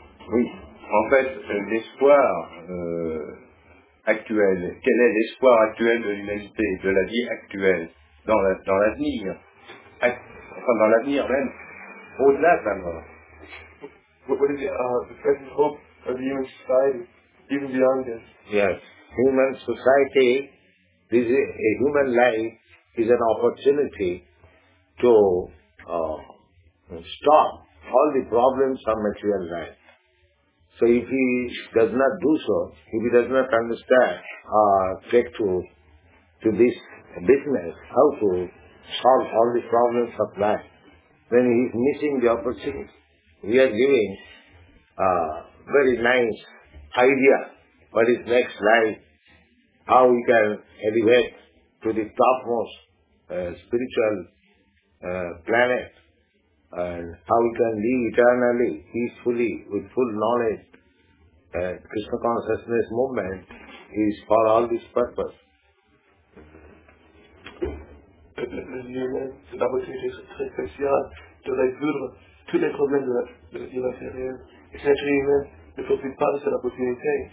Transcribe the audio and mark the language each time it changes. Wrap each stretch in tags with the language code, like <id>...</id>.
<fr>Oui, en fait, l'espoir actuel, quel est l'espoir actuel de l'humanité, de la vie actuelle, dans l'avenir, enfin dans l'avenir même, au-delà de la mort.</fr> <en>What is the present hope of the human society, even beyond this? Yes, human society. This is a human life is an opportunity to stop all the problems of material life. So if he does not do so, if he does not understand take to this business, how to solve all the problems of life, then he is missing the opportunity. We are giving a very nice idea what is next life. How we can elevate to the topmost spiritual planet, and how we can live eternally, peacefully, with full knowledge. Krishna consciousness movement is for all this purpose.</en> <fr>C'est opportunité très spéciale de résoudre tous les problèmes de la vie matérielle. Et cet être humain ne profite pas de cette opportunité.</fr>